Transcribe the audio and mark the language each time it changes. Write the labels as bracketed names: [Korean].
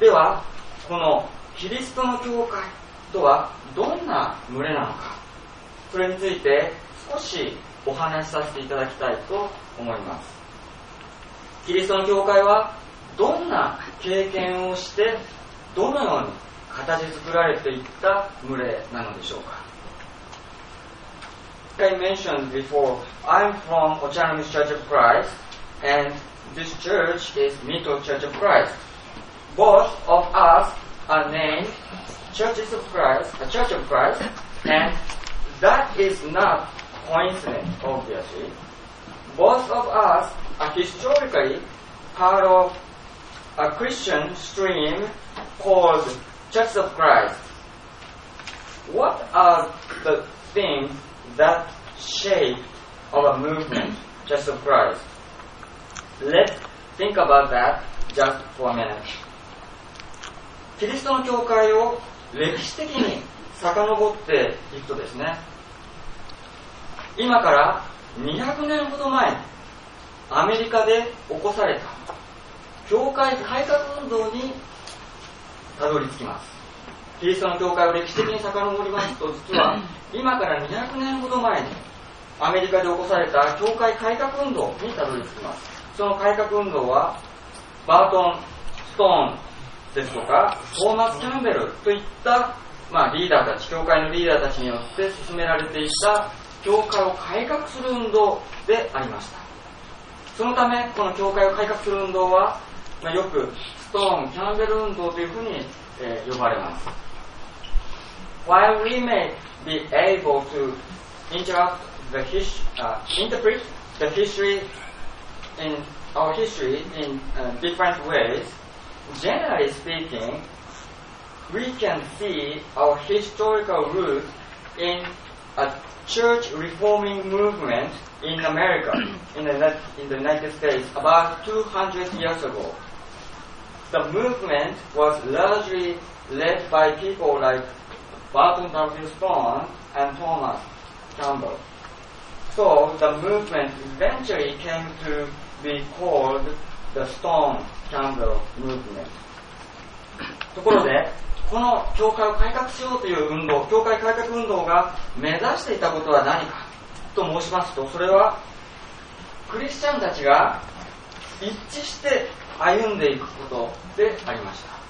[Japanese] ではこのキリストの教会とはどんな群れなのかそれについて少しお話しさせていただきたいと思います。キリストの教会はどんな経験をしてどのように形作られていった群れなのでしょうか。 [English] I mentioned before I'm from Ochanomi Church of Christ and This church is Mito Church of Christ. Both of us are named Churches of Christ, a Church of Christ, and that is not coincidence, obviously. Both of us are historically part of a Christian stream called Church of Christ. What are the things that shape our movement, Church of Christ? Let's think about that just for a minute. [Japanese] キリストの教会を歴史的に遡っていくとですね、今から200年ほど前アメリカで起こされた教会改革運動にたどり着きます。キリストの教会を歴史的に遡りますと、実は今から200年ほど前にアメリカで起こされた教会改革運動にたどり着きます。その改革運動はバートン・ストーンですとかトーマス・キャンベルといった、まあ、リーダーたち、教会のリーダーたちによって進められていた教会を改革する運動でありました。そのためこの教会を改革する運動は、まあ、よくストーン・キャンベル運動というふうに、呼ばれます。 [English] While we may be able to interpret the history in our history in different ways, generally speaking, we can see our historical root in a church reforming movement in America, in the United States, about 200 years ago. The movement was largely led by people like Barton W. Stone and Thomas Campbell. So the movement eventually came to be called the Stone Campbell Movement. [Japanese] ところで、この教会を改革しようという運動、教会改革運動が目指していたことは何かと申しますと、それはクリスチャンたちが一致して歩んでいくことでありました。